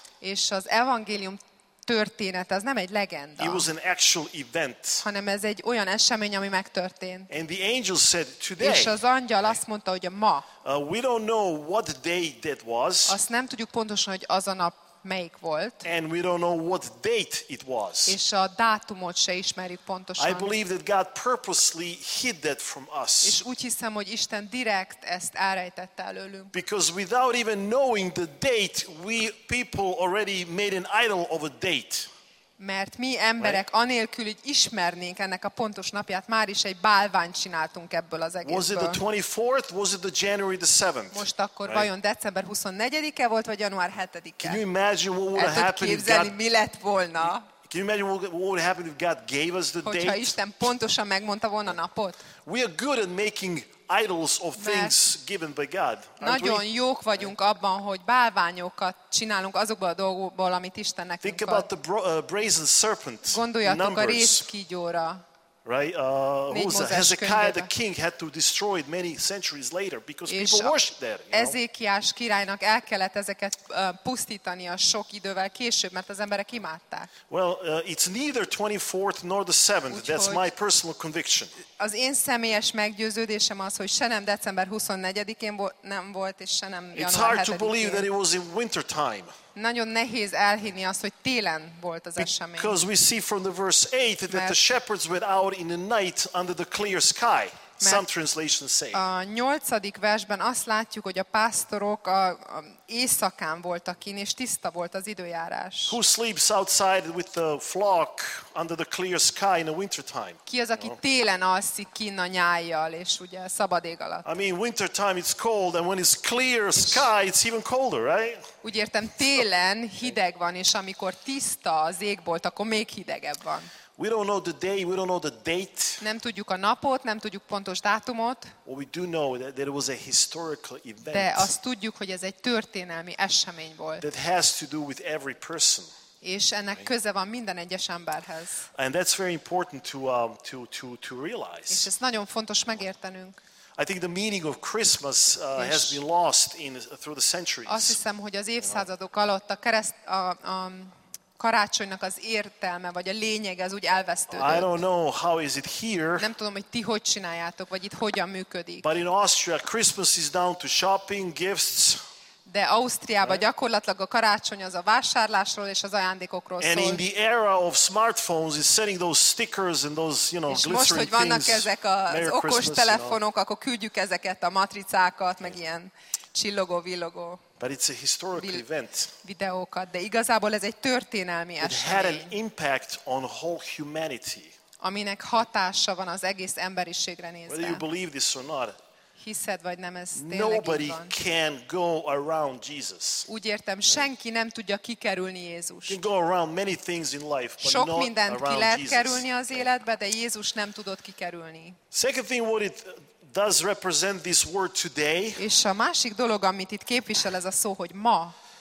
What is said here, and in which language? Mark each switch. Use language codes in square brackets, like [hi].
[hu] És az evangélium története, az nem egy legenda. [en] It was an actual event. [hu] Hanem ez egy olyan esemény, ami megtörtént. [en] And the angel said today. [hu] És az angyal azt mondta, hogy a ma. [en] We don't know what day that was. [hu] Azt nem tudjuk pontosan, hogy az a nap melyik volt. [en] And we don't know what date it was. [hu] És a dátumot se ismerjük pontosan. [en] I believe that God purposely hid that from us. [hu] És úgy hiszem, hogy Isten direkt ezt elrejtette előlünk. [en] Because without even knowing the date, we people already made an idol of a date. [hu] Mert mi emberek anélkül, hogy ismernénk ennek a pontos napját, már is egy bálványt csináltunk ebből az egészből. [en] Was it the 24th? Was it the January the 7th? [hu] Most akkor vajon december 24-e volt, vagy január 7-e? [en] Can you imagine what would happen if [hu] God, mi lett volna? [en] Can you imagine what would happen if God gave us the date? [hu] Hogyha Isten pontosan megmondta volna a napot? [en] We are good at making idols of things given by God. [hu] Nagyon jók vagyunk abban, hogy bálványokat csinálunk azokból a dolgokból, amit Isten nekünk ad. [en] Think about the brazen serpent. [hu] Gondoljatok a rézkígyóra. [en] Right? Hezekiah the king had to destroy it many centuries later because people worshiped there. [hu] Ezékiás királynak el kellett ezeket pusztítania sok idővel később, mert az emberek imádták. [en] Well, it's neither 24th nor the 7th. [hu] Úgyhogy [en] that's my personal conviction. [hu] Az én személyes meggyőződésem az, hogy se nem december 24-én nem volt, és se nem január [en] 7-én. It's hard to believe that it was in winter time. [hu] Nagyon nehéz elhinni azt, hogy télen volt az esemény. [en] Because we see from the verse 8 that the shepherds went out in the night under the clear sky. Some translations say. [hu] A 8. versben azt látjuk, hogy a pásztorok éjszakán voltak kint, és tiszta volt az időjárás. [en] Who sleeps outside with the flock under the clear sky in the winter time? [hu] Ki az, aki télen alszik kint a nyájjal, és ugye szabad ég alatt? [en] I mean, winter time it's cold, and when it's clear sky, it's even colder, right? [hu] Úgy értem, télen hideg van, és amikor tiszta az égbolt, akkor még hidegebb van. [en] We don't know the day, we don't know the date. [hu] Nem tudjuk a napot, nem tudjuk pontos dátumot. [en] What we do know that there was a historical event. [hu] De azt tudjuk, hogy ez egy történelmi esemény volt. [en] That has to do with every person. [hu] És ennek köze van minden egyes emberhez. [en] And that's very important to realize. [hu] És ez nagyon fontos megértenünk. [en] I think the meaning of Christmas has been lost in through the centuries. [hu] Azt hiszem, hogy az évszázadok alatt a kereszt karácsonynak az értelme vagy a lényeg az úgy elvesztődött. [en] I don't know how is it here. [hu] Nem tudom, hogy ti hogy csináljátok, vagy itt hogyan működik. [en] But in Austria, Christmas is down to shopping, gifts. [hu] De Ausztriában [en] right? [hu] Gyakorlatilag a karácsony az a vásárlásról és az ajándékokról [en] and [hu] szól. [en] And in the era of smartphones, it's sending those stickers and those, you know, glittering things. [hu] És most, hogy vannak [en] things, [hu] ezek az okos telefonok, [en] you know? [hu] Akkor küldjük ezeket a matricákat, [en] yeah. [hu] Meg ilyen csillogó, villogó. [en] But it's a historical event. [hu] Videókat, de igazából ez egy történelmi [en] it [hu] esemény. [en] It had an impact on whole humanity. [hu] Aminek hatása van az egész emberiségre nézve. [en] Whether you believe this or not, [hu] hiszed vagy nem, ez tényleg [en] nobody [hu] így van. [en] Can go around Jesus. [hu] Úgy értem, senki nem tudja kikerülni Jézust. [en] You can go around many things in life, but [hu] sok [en] not [hu] mindent [en] around [hu] ki lehet [en] Jesus. [hu] Kerülni az életbe, de Jézus nem tudott kikerülni. [en] Second thing, what it does represent this word today. [hu] És a másik dolog, amit itt képvisel ez a szó, hogy ma.